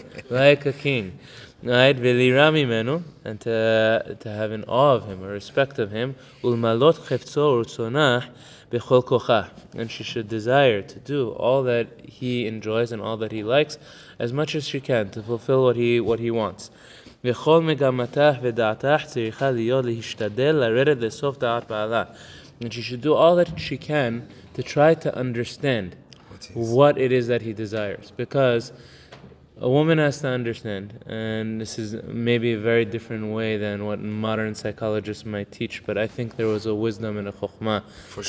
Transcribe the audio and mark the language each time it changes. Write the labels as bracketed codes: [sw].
[en] Right, [he] velirami menu, [en] and to have an awe of him, a respect of him. [he] Ulmalot chefzo urtzonah bechol kochah. [en] And she should desire to do all that he enjoys and all that he likes, as much as she can to fulfill what he wants. [he] וכל מגמתך ודעתך צריכה להיות להשתדל לרדת לסוף דעת בעלה. [en] And she should do all that she can to try to understand what it is that he desires. Because a woman has to understand, and this is maybe a very different way than what modern psychologists might teach, but I think there was a wisdom and a chokhmah